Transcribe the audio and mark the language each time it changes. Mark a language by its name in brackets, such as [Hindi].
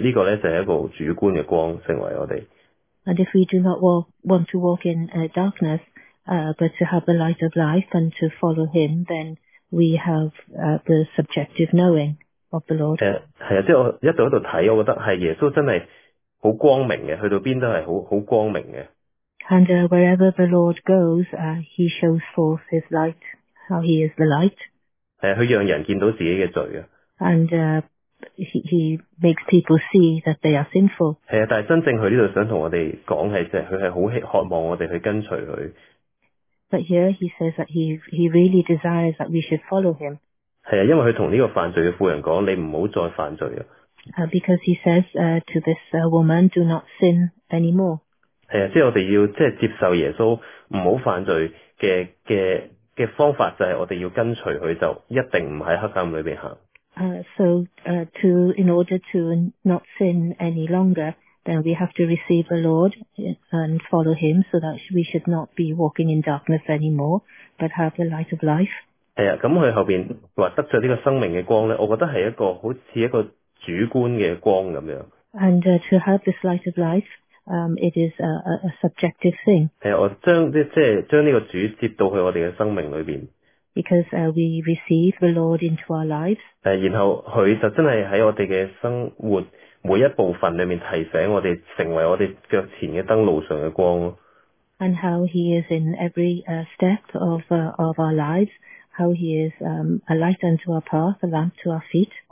[Cantonese] 這個咧就係一個主觀嘅光，成為我哋。 [English] And if we do not want to walk in darkness, but to have the light of life and to follow him, then we have the subjective knowing. Of the Lord. [Cantonese] 即係我一度喺度睇，我覺得係耶穌真係好光明嘅，去到邊都係好光明嘅。 [English] And wherever the Lord goes, he shows forth his light. How he is the light. [Cantonese] 佢讓人見到自己嘅罪啊。 [English] And he makes people see that they are sinful. [Cantonese] 但係真正佢呢度想同我哋講係，即係佢係好渴望我哋去跟隨佢。 [English] But here he says that he really desires that we should follow him. [Cantonese] 因為佢同呢個犯罪嘅婦人講：你唔好再犯罪啊。 [English] Because he says to this woman, do not sin anymore. [Cantonese] 即係我哋要即係接受耶穌唔好犯罪嘅方法，就係我哋要跟隨佢，就一定唔喺黑暗裏面行。 [English] In order to not sin any longer, then we have to receive the Lord and follow him, so that we should not be walking in darkness anymore, but have the light of life. [Cantonese] 咁佢後面話得咗呢個生命嘅光呢，我覺得係一個好似一個主觀嘅光咁樣。 [English] And to have this light of life, it is a subjective thing. [Cantonese] 我將呢個主接到去我哋嘅生命裏面。 [English] because we receive the Lord into our lives. [Cantonese] 然后佢就真系喺我哋嘅生活每一部分里面提醒我哋，成为我哋脚前嘅灯，路上嘅光。 [English] And how he is in every step of our lives, how he is a light unto our path, a lamp to our feet.